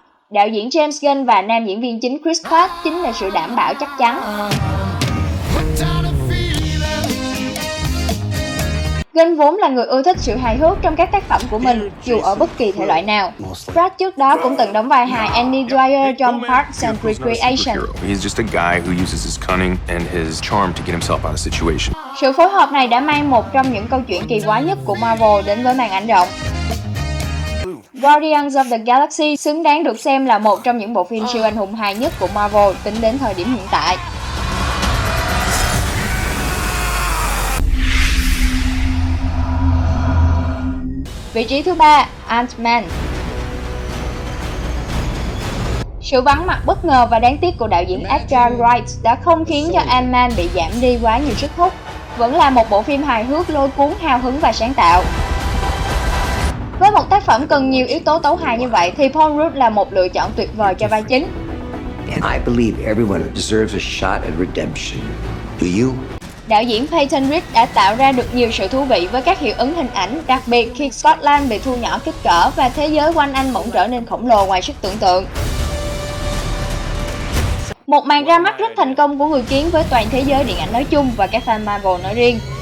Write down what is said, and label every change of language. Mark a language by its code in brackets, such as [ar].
[vi] Đạo diễn James Gunn và nam diễn viên chính Chris Pratt chính là sự đảm bảo chắc chắn. Gunn vốn là người ưa thích sự hài hước trong các tác phẩm của mình, dù ở bất kỳ thể loại nào. Pratt trước đó cũng từng đóng vai hài Annie Dwyer trong Parks and Recreation. [en] He's just a guy who uses his cunning and his charm to get himself out of situation. [vi] Sự phối hợp này đã mang một trong những câu chuyện kỳ quái nhất của Marvel đến với màn ảnh rộng. Guardians of the Galaxy xứng đáng được xem là một trong những bộ phim siêu anh hùng hài nhất của Marvel tính đến thời điểm hiện tại. Vị trí thứ 3, Ant-Man. Sự vắng mặt bất ngờ và đáng tiếc của đạo diễn Edgar Wright đã không khiến cho Ant-Man bị giảm đi quá nhiều sức hút. Vẫn là một bộ phim hài hước lôi cuốn, hào hứng và sáng tạo. Với một tác phẩm cần nhiều yếu tố tấu hài như vậy thì Paul Rudd là một lựa chọn tuyệt vời cho vai chính. [en] And I believe everyone deserves a shot at redemption. Do you? [vi] Đạo diễn Peyton Reed đã tạo ra được nhiều sự thú vị với các hiệu ứng hình ảnh, đặc biệt khi Scotland bị thu nhỏ kích cỡ và thế giới quanh anh bỗng trở nên khổng lồ ngoài sức tưởng tượng. Một màn ra mắt rất thành công của người kiến với toàn thế giới điện ảnh nói chung và các fan Marvel nói riêng.